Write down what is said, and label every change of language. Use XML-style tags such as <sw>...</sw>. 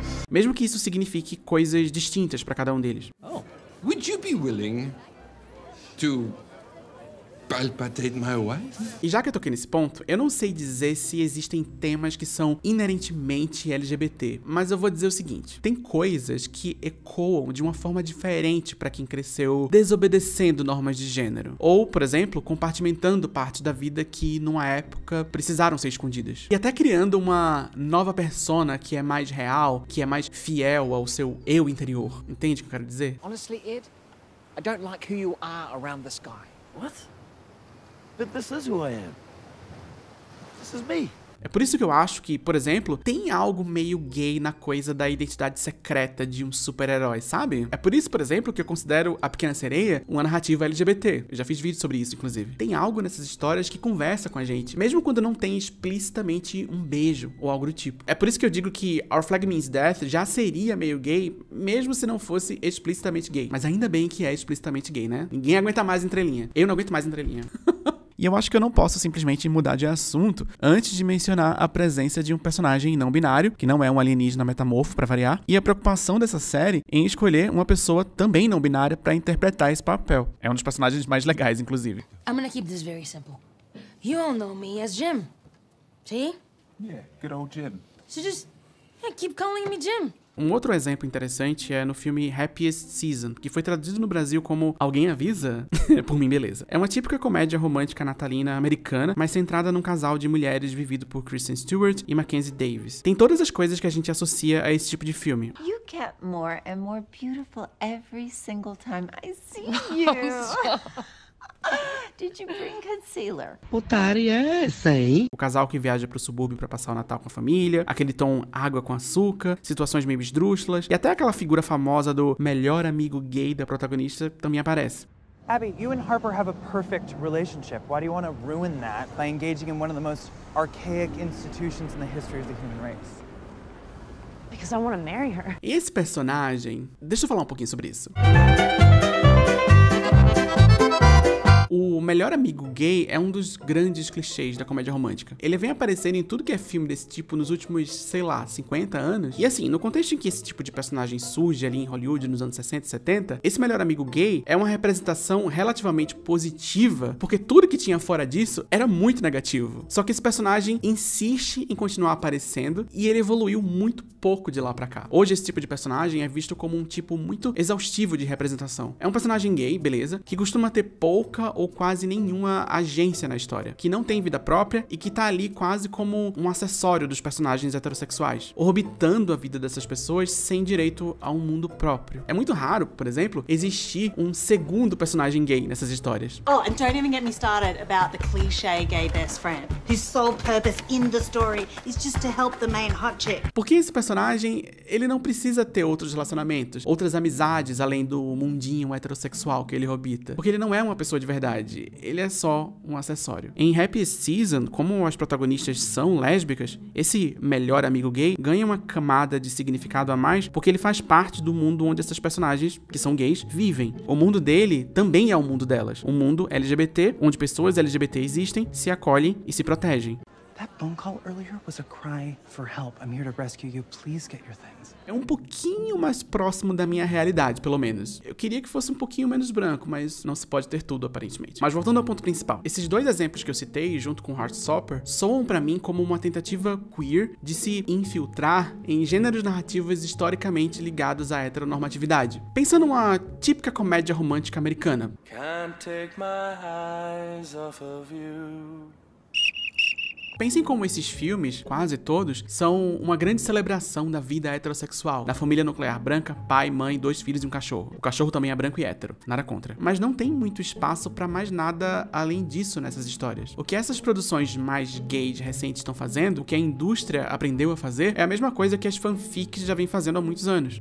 <pt>Mesmo que isso signifique coisas distintas para cada um deles.</pt> <en>Oh, would you be willing to palpate my wife?</en> <pt>E já que eu toquei nesse ponto, eu não sei dizer se existem temas que são inerentemente LGBT, mas eu vou dizer o seguinte: tem coisas que ecoam de uma forma diferente pra quem cresceu desobedecendo normas de gênero. Ou, por exemplo, compartimentando parte da vida que, numa época, precisaram ser escondidas. E até criando uma nova persona que é mais real, que é mais fiel ao seu eu interior. Entende o que eu quero dizer?</pt> <en>Honestly, Ed, I don't like who you are around this guy. What? But this is who I am. This is me.</en> <pt>É por isso que eu acho que, por exemplo, tem algo meio gay na coisa da identidade secreta de um super-herói, sabe? É por isso, por exemplo, que eu considero A Pequena Sereia uma narrativa LGBT. Eu já fiz vídeo sobre isso, inclusive. Tem algo nessas histórias que conversa com a gente, mesmo quando não tem explicitamente um beijo ou algo do tipo. É por isso que eu digo que Our Flag Means Death já seria meio gay, mesmo se não fosse explicitamente gay. Mas ainda bem que é explicitamente gay, né? Ninguém aguenta mais entrelinha. Eu não aguento mais entrelinha. E eu acho que eu não posso simplesmente mudar de assunto antes de mencionar a presença de um personagem não binário, que não é um alienígena metamorfo, pra variar, e a preocupação dessa série em escolher uma pessoa também não binária pra interpretar esse papel. É um dos personagens mais legais, inclusive. Eu vou deixar isso muito simples. Vocês me conhecem como Jim. Vê?</pt> <en>Yeah, good old Jim. So just keep calling me Jim.</en> <pt>Um outro exemplo interessante é no filme Happiest Season, que foi traduzido no Brasil como Alguém Avisa? Por mim, beleza. É uma típica comédia romântica natalina americana, mas centrada num casal de mulheres vivido por Kristen Stewart e Mackenzie Davis. Tem todas as coisas que a gente associa a esse tipo de filme.</pt> <en>You get more and more beautiful every single time I see you. Did you bring concealer?</en> <pt>Putaria é essa, hein? O casal que viaja pro subúrbio pra passar o Natal com a família, aquele tom água com açúcar, situações meio esdrúxulas, e até aquela figura famosa do melhor amigo gay da protagonista também aparece.</pt> <en>Abby, you and Harper have a perfect relationship. Why do you want to ruin that by engaging in one of the most archaic institutions in the history of the human race? Because I want to marry her.</en> <pt>Esse personagem... Deixa eu falar um pouquinho sobre isso. O melhor amigo gay é um dos grandes clichês da comédia romântica. Ele vem aparecendo em tudo que é filme desse tipo nos últimos, sei lá, 50 anos. E assim, no contexto em que esse tipo de personagem surge ali em Hollywood nos anos 60 e 70, esse melhor amigo gay é uma representação relativamente positiva, porque tudo que tinha fora disso era muito negativo. Só que esse personagem insiste em continuar aparecendo e ele evoluiu muito pouco de lá pra cá. Hoje esse tipo de personagem é visto como um tipo muito exaustivo de representação. É um personagem gay, beleza, que costuma ter pouca ou quase nenhuma agência na história, que não tem vida própria e que tá ali quase como um acessório dos personagens heterossexuais, orbitando a vida dessas pessoas sem direito a um mundo próprio. É muito raro, por exemplo, existir um segundo personagem gay nessas histórias.</pt> <en>Oh, and don't even get me started about the cliché gay best friend, whose sole purpose in the story is just to help the main hot chick.</en> <pt>Porque esse personagem, ele não precisa ter outros relacionamentos, outras amizades além do mundinho heterossexual que ele orbita, porque ele não é uma pessoa de verdade, ele é só um acessório. Em Happy Season, como as protagonistas são lésbicas, esse melhor amigo gay ganha uma camada de significado a mais porque ele faz parte do mundo onde essas personagens, que são gays, vivem. O mundo dele também é o mundo delas. Um mundo LGBT, onde pessoas LGBT existem, se acolhem e se protegem.</pt> <en>That phone call earlier was a cry for help. I'm here to rescue you. Please get your things.</en> <pt>É um pouquinho mais próximo da minha realidade, pelo menos. Eu queria que fosse um pouquinho menos branco, mas não se pode ter tudo, aparentemente. Mas voltando ao ponto principal, esses dois exemplos que eu citei, junto com Heartstopper, soam pra mim como uma tentativa queer de se infiltrar em gêneros narrativos historicamente ligados à heteronormatividade. Pensando numa típica comédia romântica americana.</pt> <en>Can't take my eyes off of you.</en> <pt>Pensem como esses filmes, quase todos, são uma grande celebração da vida heterossexual, da família nuclear branca, pai, mãe, dois filhos e um cachorro. O cachorro também é branco e hétero, nada contra. Mas não tem muito espaço pra mais nada além disso nessas histórias. O que essas produções mais gays recentes estão fazendo, o que a indústria aprendeu a fazer, é a mesma coisa que as fanfics já vem fazendo há muitos anos.</pt>